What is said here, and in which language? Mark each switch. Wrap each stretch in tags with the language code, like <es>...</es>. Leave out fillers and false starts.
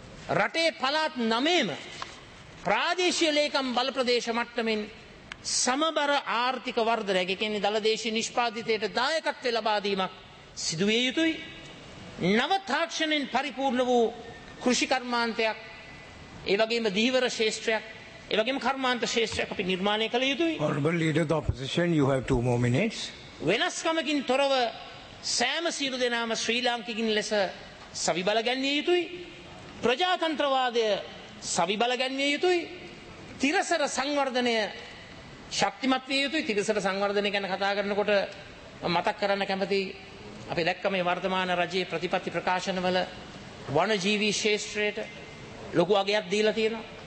<si>රටේ පළාත් 9ම ප්‍රාදේශීය ලේකම් බල ප්‍රදේශ මට්ටමින් සමබර ආර්ථික වර්ධනයක්, ඒ කියන්නේ දලදේශීය නිෂ්පාදිතයට දායකත්වය ලබා දීමක් සිදුවිය යුතුයි. නව තාක්ෂණයෙන් පරිපූර්ණ වූ කෘෂි කර්මාන්තයක්, ඒ වගේම ධීවර ශේෂ්ත්‍රයක්, ඒ වගේම කර්මාන්ත ශේෂ්ත්‍රයක් අපි නිර්මාණය කළ යුතුයි.</si> <en>Honorable Leader of the Opposition, you have 2 more minutes.</en> <si>වෙනස්කමකින් තොරව සෑම සියලු දෙනාම ශ්‍රී ලාංකිකින් ලෙස සවිබල ගැන්විය යුතුයි. ප්‍රජාතන්ත්‍රවාදය සවිබල ගැන්විය යුතුයි. තිරසර සංවර්ධනය ශක්තිමත් විය යුතුයි. තිරසර සංවර්ධනය ගැන කතා කරනකොට මතක් කරන්න කැමති අපි දැක්ක මේ වර්තමාන රජයේ ප්‍රතිපත්ති ප්‍රකාශනවල වනජීවී ක්ෂේත්‍රයට ලොකු අගයක් දීලා තියෙනවා.</si>